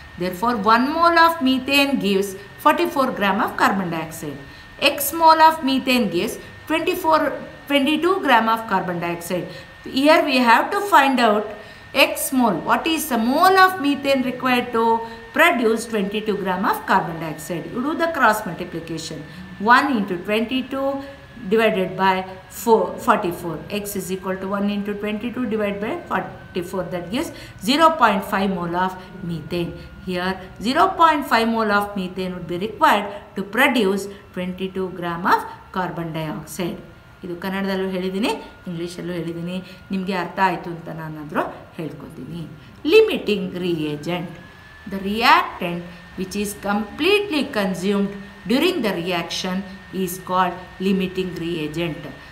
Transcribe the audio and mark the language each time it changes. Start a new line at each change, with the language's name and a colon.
English: Therefore 1 mole of methane gives 44 gram of carbon dioxide. X mole of methane gives 24 22 gram of carbon dioxide. Here we have to find out x mole. What is the mole of methane required to produce 22 gram of carbon dioxide? You do the cross multiplication. 1 into 22 divided by 44. X is equal to 1 into 22 divided by 44. That gives 0.5 mole of methane. Here 0.5 mole of methane would be required to produce 22 gram of carbon dioxide.
Kannada: ಇದು ಕನ್ನಡದಲ್ಲೂ ಹೇಳಿದ್ದೀನಿ, ಇಂಗ್ಲೀಷಲ್ಲೂ ಹೇಳಿದ್ದೀನಿ, ನಿಮಗೆ ಅರ್ಥ ಆಯಿತು ಅಂತ ನಾನಾದರೂ ಹೇಳ್ಕೊತೀನಿ.
English: Limiting reagent, the reactant which is completely consumed during the reaction is called limiting reagent.